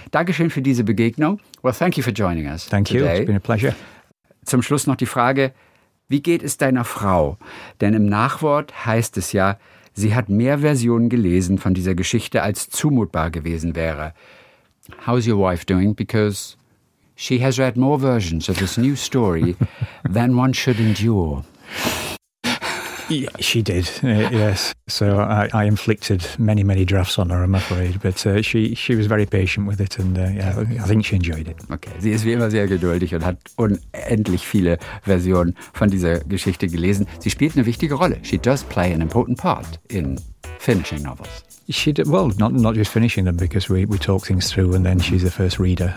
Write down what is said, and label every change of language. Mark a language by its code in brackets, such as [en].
[de] Dankeschön für diese Begegnung. [en] Well, thank you for joining us. Thank today. You, it's been a pleasure. [de] Zum Schluss noch die Frage, wie geht es deiner Frau? Denn im Nachwort heißt es ja, sie hat mehr Versionen gelesen von dieser Geschichte, als zumutbar gewesen wäre. [en] How's your wife doing? Because she has read more versions of this new story than one should endure. Yeah, she did, yes. So I inflicted many, many drafts on her, I'm afraid. But she was very patient with it and I think she enjoyed it. [de] Okay, sie ist wie immer sehr geduldig und hat unendlich viele Versionen von dieser Geschichte gelesen. Sie spielt eine wichtige Rolle. [en] She does play an important part in finishing novels. She did, well, not just finishing them, because we talk things through and then she's the first reader.